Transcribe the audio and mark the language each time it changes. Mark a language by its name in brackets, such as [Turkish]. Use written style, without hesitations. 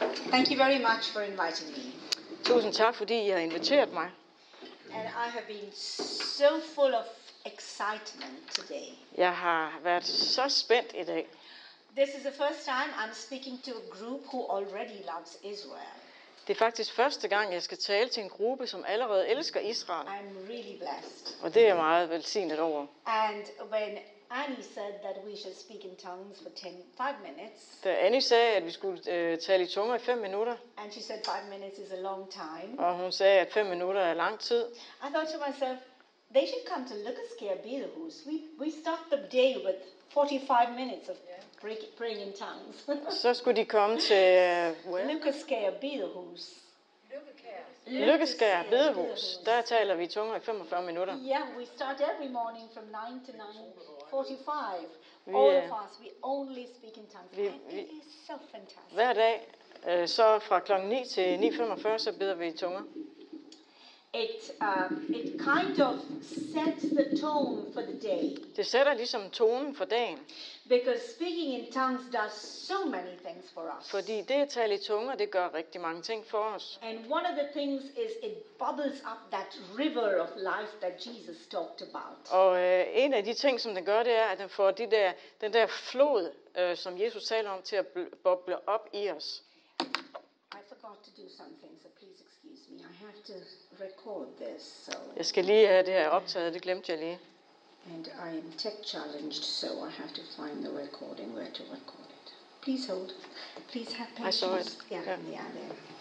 [English] Thank you very much for inviting me. [Danish] Tusind tak, fordi I har inviteret mig. [English] And I have been so full of excitement today. [Danish] Jeg har været så spændt i dag. [English] This is the first time I'm speaking to a group who already loves Israel. [Danish] Det er faktisk første gang, jeg skal tale til en gruppe, som allerede elsker Israel. [English] I'm really blessed. [Danish] Og det er meget velsignet over. [English] And when Annie said that we should speak in tongues for 5 minutes. [Danish] Da Annie sagde, at vi skulle tale i tunger i 5 minutter. [English] And she said 5 minutes is a long time. [Danish] Og hun sagde, at 5 minutter er lang tid. [English] I thought to myself, they should come to Lukaskia Bilhus. We start the day with 45 minutes of praying in tongues. [Danish] Så skulle de komme til Lukaskia Bilhus. Lykkeskær Bedehus, der taler vi tunger i 45 minutter. [English] Yeah, we start every morning from 9 to 9:45. All of us, we only speak in tongues. It is so fantastic. [Danish] Hver dag, så fra klokken 9 til 9:45, så beder vi i tunger. [English] It kind of sets the tone for the day. [Danish] Det sætter ligesom tonen for dagen. [English] Because speaking in tongues does so many things for us. [Danish] Fordi det at tale i tunger, det gør rigtig mange ting for os. [English] And one of the things is it bubbles up that river of life that Jesus talked about. [Danish] Og en af de ting, som den gør, det er, at den får den der flod, som Jesus taler om, til at boble op i os. [English] I forgot to do something, so please excuse me. I have to record this. So. [Danish] Jeg skal lige have det her optaget. Det glemte jeg lige. [English] And I am tech challenged, so I have to find the recording where to record it. Please hold. Please have patience. I saw it. Yeah, there.